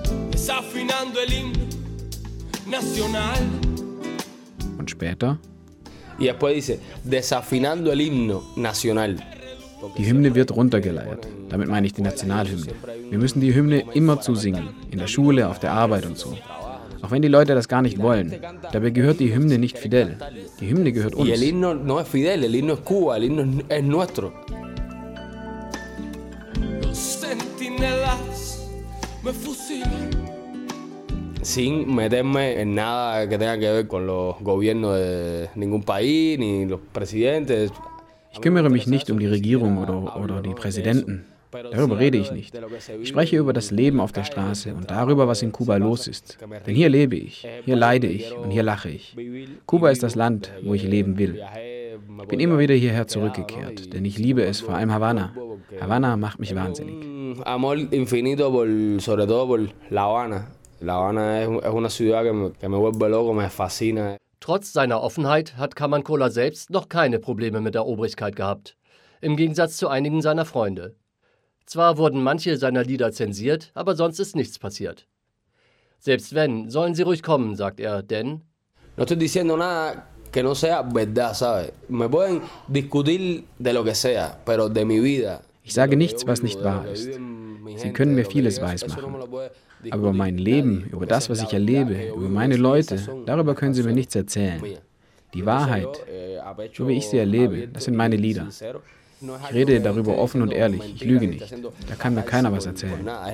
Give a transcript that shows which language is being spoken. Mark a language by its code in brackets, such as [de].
[es] Desafinando el himno nacional. [de] Und später? [es] Y después dice, desafinando el himno nacional. [de] Die Hymne wird runtergeleiert. Damit meine ich die Nationalhymne. Wir müssen die Hymne immer zu singen, in der Schule, auf der Arbeit und so. Auch wenn die Leute das gar nicht wollen. Dabei gehört die Hymne nicht Fidel. Die Hymne gehört uns. [es] El himno no es Fidel, el himno es Cuba, el himno es nuestro. Los sentinelas me fusilan. sin meterme en nada que tenga que ver con los gobiernos de ningún país ni los presidentes. [de] Ich kümmere mich nicht um die Regierung oder die Präsidenten. Darüber rede ich nicht. Ich spreche über das Leben auf der Straße und darüber, was in Kuba los ist. Denn hier lebe ich, hier leide ich und hier lache ich. Kuba ist das Land, wo ich leben will. Ich bin immer wieder hierher zurückgekehrt, denn ich liebe es, vor allem Havanna. Havanna macht mich wahnsinnig. [es] Amor infinito, sobre todo por La Habana. La Habana es una ciudad que me vuelve loco, me fascina. [de] Trotz seiner Offenheit hat Kamankola selbst noch keine Probleme mit der Obrigkeit gehabt. Im Gegensatz zu einigen seiner Freunde. Zwar wurden manche seiner Lieder zensiert, aber sonst ist nichts passiert. Selbst wenn, sollen sie ruhig kommen, sagt er, denn... [es] No estoy diciendo nada que no sea verdad, ¿sabe? Me pueden discutir de lo que sea, pero de mi vida... [de] Ich sage nichts, was nicht wahr ist. Sie können mir vieles weismachen. Aber über mein Leben, über das, was ich erlebe, über meine Leute, darüber können Sie mir nichts erzählen. Die Wahrheit, so wie ich sie erlebe, das sind meine Lieder. Ich rede darüber offen und ehrlich, ich lüge nicht. Da kann mir keiner was erzählen.